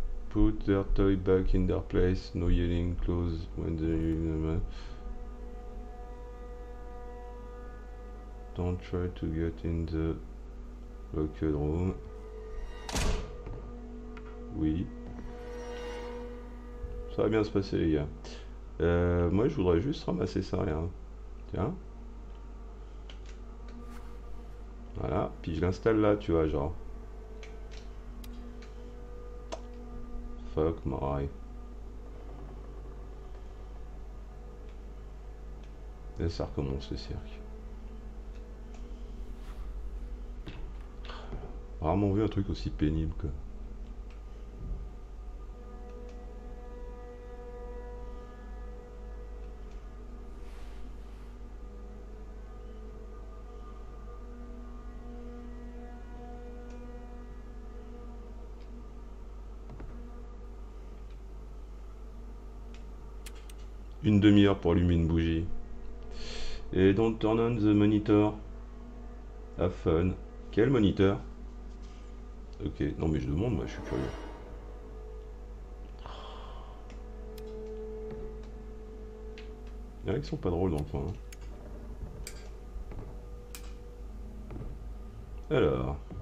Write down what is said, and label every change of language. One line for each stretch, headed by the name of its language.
English: Put their toy back in their place. No yelling, close when they. Don't try to get in the locked room.
French: Oui. Ça va bien se passer, les gars. Moi, je voudrais juste ramasser ça, rien. Hein. Tiens. Voilà, puis je l'installe là, tu vois, genre.
English: Fuck my.
French: Et ça recommence le cirque. Rarement vu un truc aussi pénible que. Une demi-heure pour allumer une bougie.
English: Et don't turn on the monitor. Have fun.
French: Quel moniteur? Ok, non mais je demande, moi je suis curieux. Y en a qui sont pas drôles dans le coin. Hein. Alors.